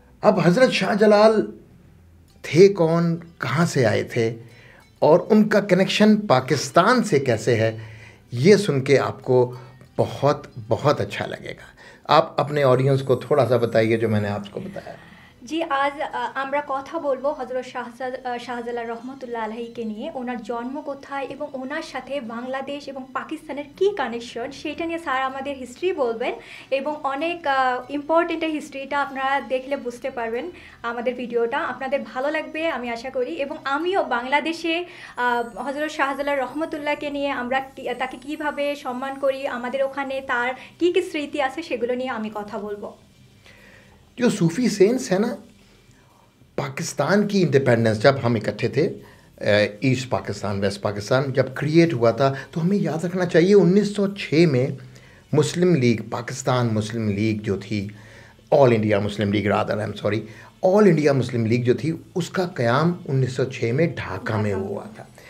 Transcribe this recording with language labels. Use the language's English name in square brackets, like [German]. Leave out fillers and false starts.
[Hindi] अब हज़रत शाहजलाल थे कौन, कहाँ से आए थे और उनका कनेक्शन पाकिस्तान से कैसे है, ये सुन के आपको बहुत बहुत अच्छा लगेगा। आप अपने ऑडियंस को थोड़ा सा बताइए जो मैंने आपको बताया। जी आज [Bangla] আমরা কথা বলবো হযরত শাহজালাল রহমাতুল্লাহ আলাইহিকে নিয়ে, ওনার জন্ম কোথায় এবং ওনার সাথে বাংলাদেশ এবং পাকিস্তানের কী কানেকশন সেটা নিয়ে স্যার আমাদের হিস্ট্রি বলবেন এবং অনেক ইম্পর্টেন্ট হিস্ট্রিটা আপনারা দেখলে বুঝতে পারবেন। আমাদের ভিডিওটা আপনাদের ভালো লাগবে আমি আশা করি এবং আমিও বাংলাদেশে হযরত শাহজালাল রহমাতুল্লাহকে নিয়ে আমরা তাকে কীভাবে সম্মান করি, আমাদের ওখানে তার কী কী স্মৃতি আছে সেগুলো নিয়ে আমি কথা বলবো। [Hindi] जो सूफ़ी सेंट्स हैं ना, पाकिस्तान की इंडिपेंडेंस जब हम इकट्ठे थे ईस्ट पाकिस्तान वेस्ट पाकिस्तान जब क्रिएट हुआ था, तो हमें याद रखना चाहिए 1906 में मुस्लिम लीग, पाकिस्तान मुस्लिम लीग जो थी, all India Muslim league rather I am sorry all India Muslim league जो थी उसका क़याम 1906 में ढाका में हुआ था।